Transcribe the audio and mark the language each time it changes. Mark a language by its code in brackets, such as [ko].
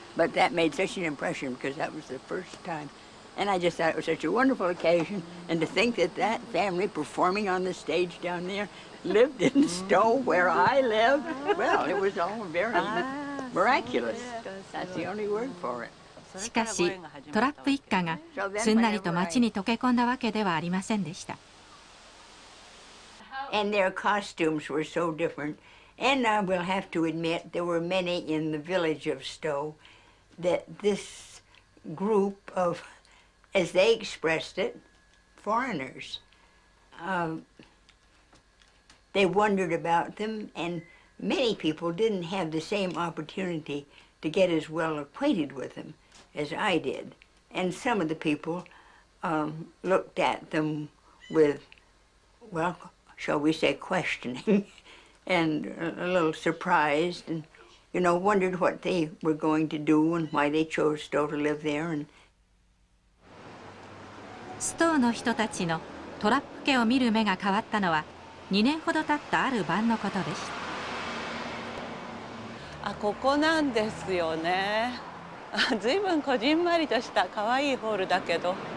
[en] But that made such an impression because that was the first time. And I just thought it was such a wonderful occasion. And to think that that family performing on the stage down there lived in Stowe, where I live. Well, it was all very miraculous. That's the only word for it. [ja] しかしトラック一家がすんなりと町に溶け込んだわけではありませんでした。 [en] And their costumes were so different. And I will have to admit there were many in the village of Stowe that this group of, as they expressed it, foreigners, they wondered about them, and many people didn't have the same opportunity to get as well acquainted with them. As I did, and some of the people looked at them with, well, shall we say, questioning, and a little surprised, and you know, wondered what they were going to do and why they chose Stowe to live there. And [ja] Stowe の人たちのトラップ家を見る目が変わったのは2年ほど経ったある晩のことでした。あ、ここなんですよね。ずいぶんこじんまりとしたかわいいホールだけど、